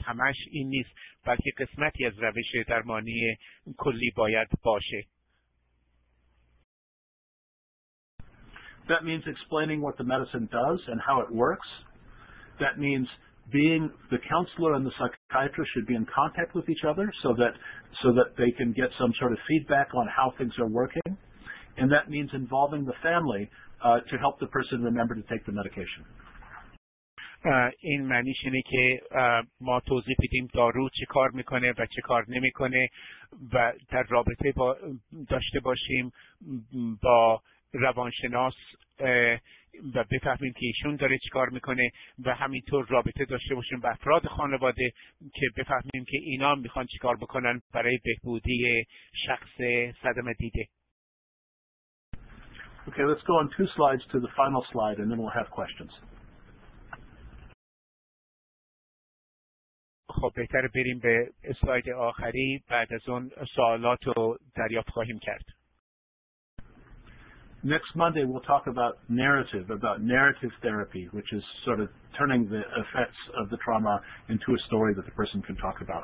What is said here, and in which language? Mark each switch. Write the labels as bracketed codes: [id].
[fa] همش این نیست، بلکه قسمتی از روش درمانی کلی باید باشه. [en] That means explaining what the medicine does and how it works. That means being the counselor and the psychiatrist should be in contact with each other so that they can get some sort of feedback on how things are working. And that means involving the family to help the person remember to take the medication. [fa] این معنیش اینه که ما توضیح بدیم دارو چه کار میکنه و چه کار نمیکنه و در رابطه با داشته باشیم با روانشناس و بفهمیم که ایشون داره چه کار میکنه و همینطور رابطه داشته باشیم با افراد خانواده که بفهمیم که اینا میخوان چه کار بکنن برای بهبودی شخص صدمه دیده. [en] Okay, let's go on two slides to the final slide and then we'll have questions. [fa] خب بهتر بریم به اسلاید آخری، بعد از اون سوالات رو دریافت خواهیم کرد. [en] Next Monday we'll talk about narrative therapy, which is sort of turning the effects of the trauma into a story that the person can talk about.